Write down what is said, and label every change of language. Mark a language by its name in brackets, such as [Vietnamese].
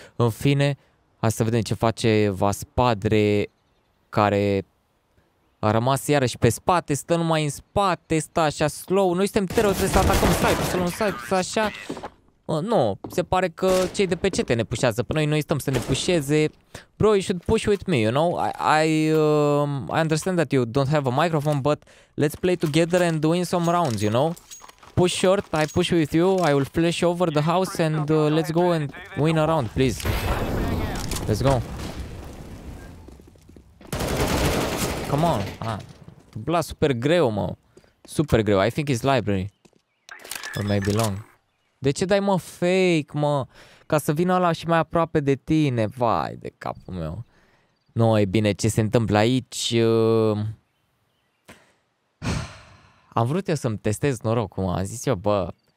[Romanian] În fine, hai să vedem ce face Vaspadre, care a rămas iarăși pe spate, stă numai în spate, stă așa slow. Noi suntem tero, trebuie să atacăm site-ul, să luăm site-ul, așa. Nu, se pare că cei de pe CT ne pușează pe noi, noi stăm să ne pușeze. [English] Bro, you should push with me, you know? I understand that you don't have a microphone, but let's play together and win some rounds, you know? Push short, I push with you, I will flash over the house and let's go and win a round, please. Let's go. Come on. [Romanian] Bla, super greu, mă. Super greu, [English] I think it's library. Or maybe long. [Romanian] De ce dai, mă, fake, mă? Ca să vină ăla și mai aproape de tine. Vai, de capul meu. Nu, e bine, ce se întâmplă aici? Am vrut eu să-mi testez norocul, mă. Am zis eu, bă...